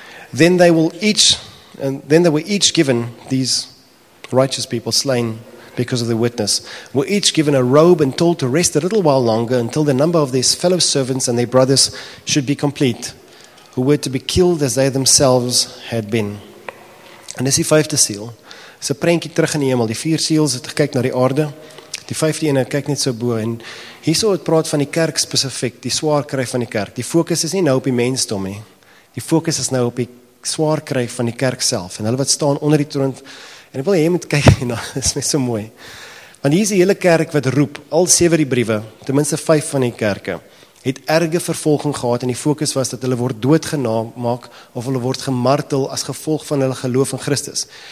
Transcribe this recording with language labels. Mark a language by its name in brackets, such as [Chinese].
[English] Then they were each given, these righteous people slain because of the witness, were each given a robe and told to rest a little while longer until the number of their fellow servants and their brothers should be complete, who were to be killed as they themselves had been. [Afrikaans] En dis die vijfde seal. Dis 'n prentjie terug in die hemel. Die vier seals het gekyk na die aarde. Die vijfde ene kyk net so bo. En hierso het praat van die kerk spesifiek. Die swaar kry van die kerk. Die fokus is nie nou op die mensdom nie. Die fokus is nou op die swaar kry van die kerk self. En hulle wat staan onder die troon. En ek wil hier moet kyk. Nou, dis net so mooi. Want hier is die hele kerk wat roep. Al sewe die briewe. Tenminste vyf van die kerke. Het erge vervolging gehad en die fokus was dat hulle word doodgemaak of hulle word gemartel as gevolg van hulle geloof in Christus.